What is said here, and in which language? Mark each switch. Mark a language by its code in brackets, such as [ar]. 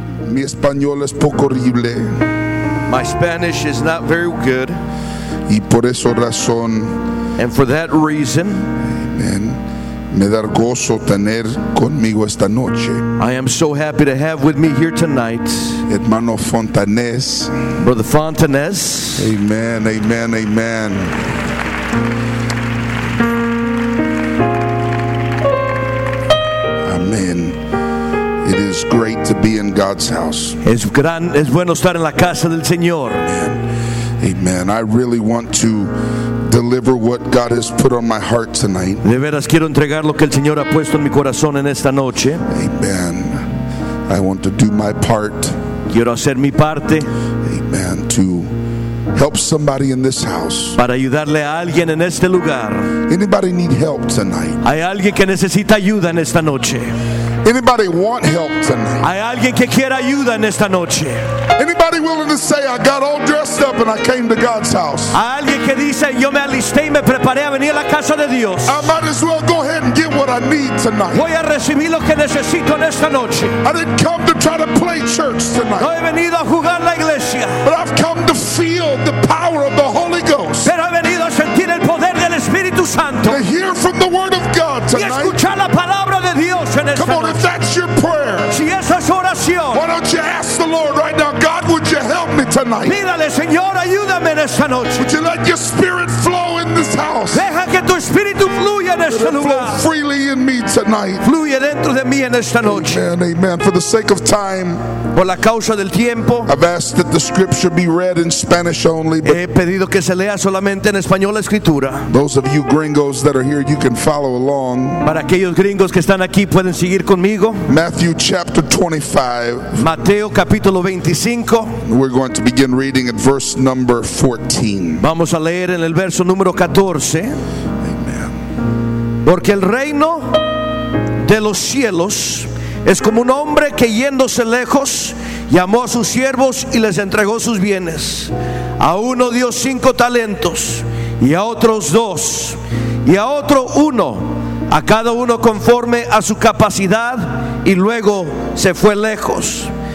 [es] Mi español es poco horrible. [en] My Spanish is not very good. [es] Y por esa razón. [en] And for that reason. Amen. [es] Me da gozo tener conmigo esta noche. [en] I am so happy to have with me here tonight. [es] Hermano Fontanés. [en] Brother Fontanés. Amen, amen, amen. Amen. It is great to be in God's house. [es] Es bueno estar en la casa del Señor. [en] Amen. Amen. I really want to deliver what God has put on my heart tonight. [es] De veras quiero entregar lo que el Señor ha puesto en mi corazón en esta noche. [en] Amen. I want to do my part. [es] Quiero hacer mi parte. [en] Amen. To help somebody in this house. [es] Para ayudarle a alguien en este lugar. [en] Anybody need help tonight? [es] Hay alguien que necesita ayuda en esta noche. [en] Anybody want help tonight? [es] Hay alguien que quiera ayuda en esta noche. [en] Anybody willing to say, I got all dressed up and I came to God's house? [es] Hay alguien que dice, yo me alisté y me preparé a venir a la casa de Dios. [en] I might as well go ahead and get what I need tonight. [es] Voy a recibir lo que necesito en esta noche. [en] I didn't come to try to play church tonight. [es] No he venido a jugar la iglesia. [en] But I've come to feel the power of the Holy Ghost. [es] Pero he venido a sentir el poder del Espíritu Santo. [en] To hear from the Word of God tonight. [es] Y escuchar la palabra de Dios en esta noche. [en] If that's your prayer, [es] si esa es oración, [en] why don't you ask the Lord right now, God, would you help me tonight? [es] Mírale, Señor, ayúdame en esta noche. [en] Would you let your spirit flow in this house? [es] Deja que tu espíritu fluya en este lugar. [en] Flow freely in me tonight. [es] Fluye dentro de mí en esta noche. [en] Amen, amen. For the sake of time, [es] por la causa del tiempo, [en] I've asked that the scripture be read in Spanish only. [es] He pedido que se lea solamente en español la escritura. [en] Those of you gringos that are here, you can follow along. [es] Para aquellos gringos que están aquí, pueden seguir conmigo. [en] Matthew chapter 25. [es] Mateo capítulo 25. [en] We're going to begin reading at verse number 14. [es] Vamos a leer en el verso número 14. Amen. Porque el reino de los cielos es como un hombre que yéndose lejos llamó a sus siervos y les entregó sus bienes. A uno dio 5 talentos y a otros 2 y a otro 1, a cada uno conforme a su capacidad, y luego se fue lejos.